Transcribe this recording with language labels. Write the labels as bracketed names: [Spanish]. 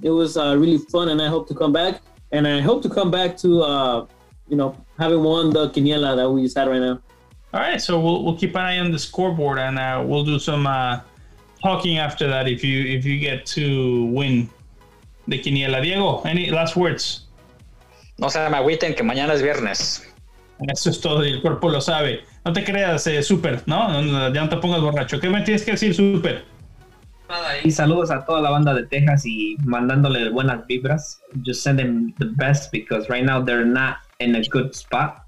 [English] It was really fun, and I hope to come back. And I hope to come back to, having won the quiniela that we just had right now. All right, so we'll keep an eye on the scoreboard, and we'll do some talking after that if you get to win the quiniela. Diego, any last words? [Spanish] No se me agüiten, que mañana es viernes. Eso es todo, y el cuerpo lo sabe. No te creas, súper, ¿no? Ya no te pongas borracho. ¿Qué me tienes que decir, súper? Y saludos a toda la banda de Texas y mandándole buenas vibras. [English] Just send them the best, because right now they're not in a good spot.